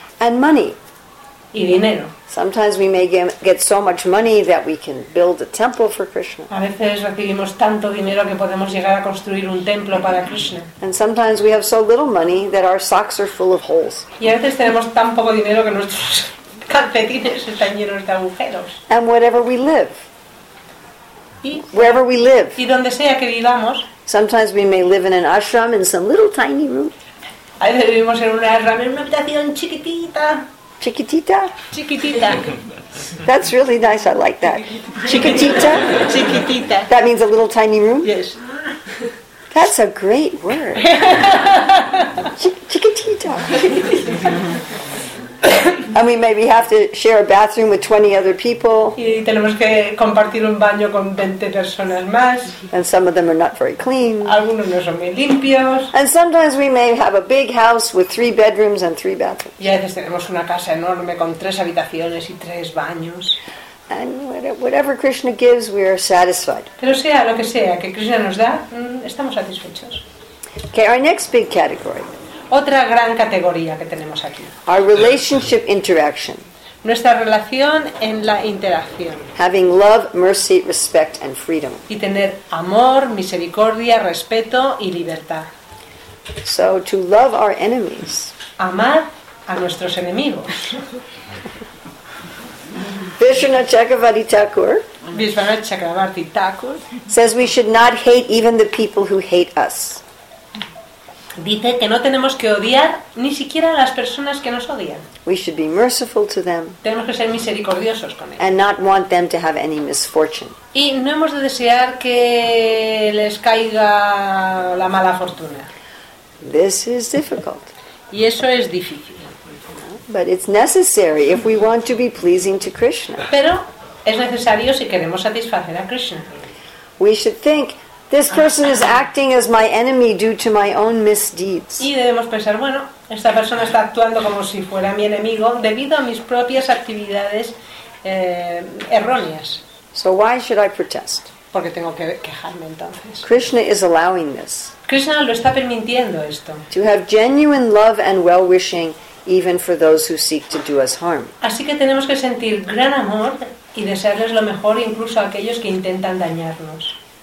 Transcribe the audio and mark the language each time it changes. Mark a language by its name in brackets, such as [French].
[English] And money. [Spanish] Y dinero. [English] Sometimes we may get so much money that we can build a temple for Krishna. [Spanish] A veces recibimos tanto dinero que podemos llegar a construir un templo para Krishna. [English] And sometimes we have so little money that our socks are full of holes. [Spanish] Y a veces tenemos tan poco dinero que nuestros calcetines están llenos de agujeros. [English] And wherever we live. [Spanish] Y [English] wherever we live. [Spanish] Y donde sea que vivamos. [English] Sometimes we may live in an ashram in some little tiny room. [Spanish] A veces vivimos en un ashram en una habitación chiquitita. Chiquitita? Chiquitita. [English] That's really nice, I like that. Chiquitita? [Spanish] Chiquitita. [English] That means a little tiny room? Yes. That's a great word. Chiquitita. And we maybe have to share a bathroom with 20 other people. [Spanish] Y tenemos que compartir un baño con 20 personas más. [English] And some of them are not very clean. [Spanish] Algunos no son muy limpios. [English] And sometimes we may have a big house with 3 bedrooms and 3 bathrooms. [Spanish] Y a veces tenemos una casa enorme con 3 habitaciones y 3 baños. [English] And whatever Krishna gives, we are satisfied. [Spanish] Pero sea lo que sea que Krishna nos da, estamos satisfechos. [English] Okay, our next big category. [Spanish] Otra gran categoría que tenemos aquí. [English] Our relationship interaction. [Spanish] Nuestra relación en la interacción. [English] Having love, mercy, respect and freedom. [Spanish] Y tener amor, misericordia, respeto y libertad. [English] So to love our enemies. [Spanish] Amar a nuestros enemigos. [English] Vishwanatha Chakravarti Thakur. [Spanish] Vishwanatha Chakravarti Thakur [English] says we should not hate even the people who hate us. [Spanish] Dice que no tenemos que odiar ni siquiera a las personas que nos odian. [English] We should be merciful to them. [Spanish] Tenemos que ser misericordiosos con ellos. [English] And not want them to have any misfortune. [Spanish] Y no hemos de desear que les caiga la mala fortuna. [English] This is difficult. [Spanish] Y eso es difícil. [English] But it's necessary if we want to be pleasing to Krishna. [Spanish] Pero es necesario si queremos satisfacer a Krishna. [English] We should think, this person is acting as my enemy due to my own misdeeds. [Spanish] Y debemos pensar, bueno, esta persona está actuando como si fuera mi enemigo debido a mis propias actividades erróneas. [English] So why should I protest? [Spanish] Porque tengo que quejarme entonces. [English] Krishna is allowing this. [Spanish] Krishna lo está permitiendo esto. [English] To have genuine love and well-wishing even for those who seek to do us harm. [Spanish] Así que tenemos que sentir gran amor y desearles lo mejor incluso a aquellos que intentan dañarnos.